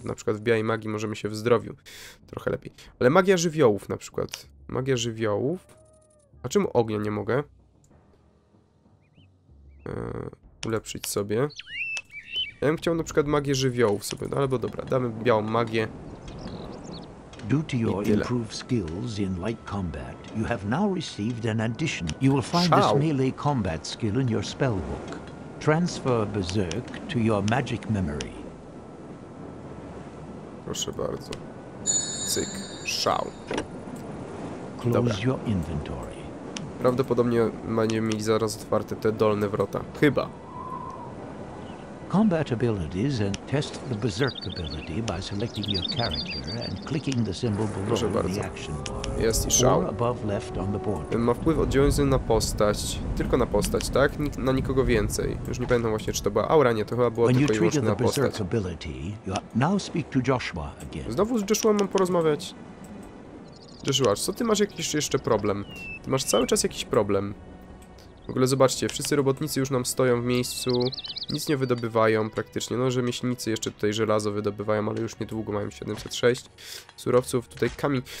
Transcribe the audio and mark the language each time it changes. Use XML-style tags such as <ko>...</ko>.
<pl>Na przykład w białej magii możemy się w zdrowiu trochę lepiej. Ale magia żywiołów na przykład. Magia żywiołów. A czemu ognia nie mogę? Ulepszyć sobie. Ja bym chciał na przykład magię żywiołów sobie, no albo dobra, damy białą magię.</pl> <en>Due to your improved skills in light combat, you have now received an addition. You will find this melee combat skill in your spellbook. Transfer berserk to your magic memory.</en> <pl>Proszę bardzo. Cyk, szał.</pl> <en>Close your inventory.</en> <pl>Prawdopodobnie będziemy mieli zaraz otwarte te dolne wrota. Chyba.</pl> <en>Combat abilities and test the berserk ability by selecting your character and clicking the symbol below the action bar.</en> <pl>Jest i szał.</pl> <en>Above left on the board.</en> <pl>Ma wpływ oddziaływający na postać, tylko na postać, tak? Na nikogo więcej. Już nie pamiętam właśnie, czy to była aura, nie, to chyba było tylko i wyłącznie na postać.</pl> <en>When you trigger the berserk ability, you now speak to Joshua again.</en> <pl>Znowu z Joshua mam porozmawiać. Joshua, co ty masz jakiś jeszcze problem? Ty masz cały czas jakiś problem. W ogóle zobaczcie, wszyscy robotnicy już nam stoją w miejscu, nic nie wydobywają praktycznie, no rzemieślnicy jeszcze tutaj żelazo wydobywają, ale już niedługo mają 706 surowców, tutaj kamień.</pl>